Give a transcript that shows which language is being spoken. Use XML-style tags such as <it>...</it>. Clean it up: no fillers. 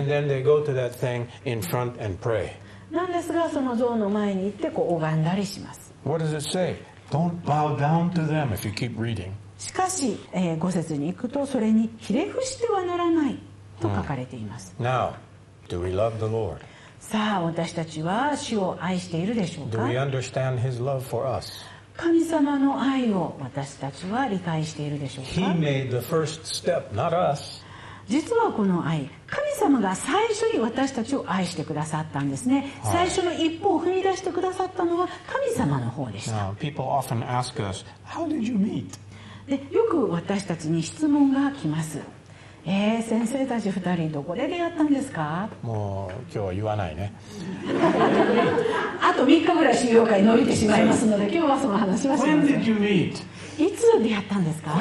<en>And then they go to that thing in front and pray.</en> <ja>なんですが、その像の前に行ってこう拝んだりします。</ja> <en>What does it say? Don't bow down to them if you keep reading.</en> <ja>しかし、五節に行くとそれにひれ伏してはならないと書かれています。</ja> <en>Now, do we love the Lord?</en> <ja>さあ、私たちは主を愛しているでしょうか?</ja> <en>Do we understand His love for us?</en> <ja>神様の愛を私たちは理解しているでしょうか?</ja> <en>He made the first step, not us.</en> <ja>実はこの愛、神様が最初に私たちを愛してくださったんですね。最初の一歩を踏み出してくださったのは神様の方でした。</ja> <en>Now, people often ask us, how did you meet?</en> <ja>で、よく私たちに質問が来ます。先生たち二人どこで出会ったんですか? もう今日は言わないね。あと3日ぐらい修行会伸びてしまいますので、今日はその話はします。</ja> <en>When did you meet?</en> <ja>いつ出会ったんですか</ja>